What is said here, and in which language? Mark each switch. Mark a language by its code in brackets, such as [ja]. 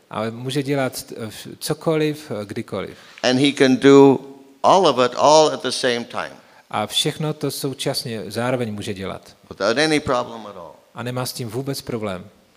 [cs] A může dělat cokoliv, kdykoliv. [en] And he can do all of it all at the same time. [cs] A všechno to současně zároveň může dělat. [en] Without any problem at all. [cs] A nemá s tím vůbec problém.